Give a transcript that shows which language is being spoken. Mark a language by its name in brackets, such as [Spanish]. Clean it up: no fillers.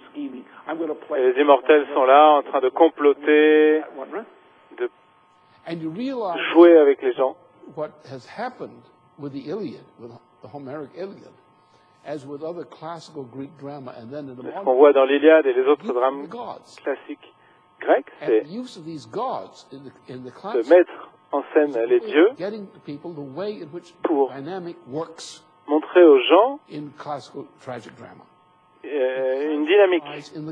[French] Et les immortels sont là en train de comploter, de jouer avec les gens. [English] What has happened with the Iliad, with the Homeric Iliad, as with other classical Greek drama, and then in the modern, [French] ce qu'on voit dans l'Iliade et les autres drames classiques grecs, c'est de mettre en scène les dieux pour montrer aux gens une dynamique.